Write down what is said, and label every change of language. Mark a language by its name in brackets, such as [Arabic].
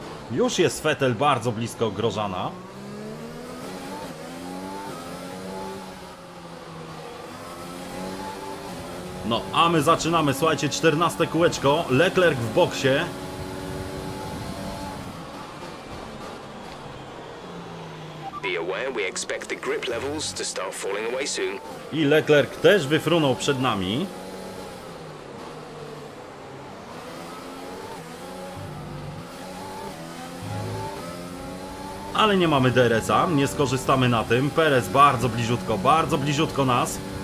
[Polish] Już jest Vettel bardzo blisko Grosjeana. No, a my zaczynamy, słuchajcie, 14 kółeczko, Leclerc w boksie. [English] Be aware, we expect the grip levels to start falling away soon. [Polish] I Leclerc też wyfrunął przed nami. Ale nie mamy DRS-a, nie skorzystamy na tym. Perez bardzo bliżutko nas.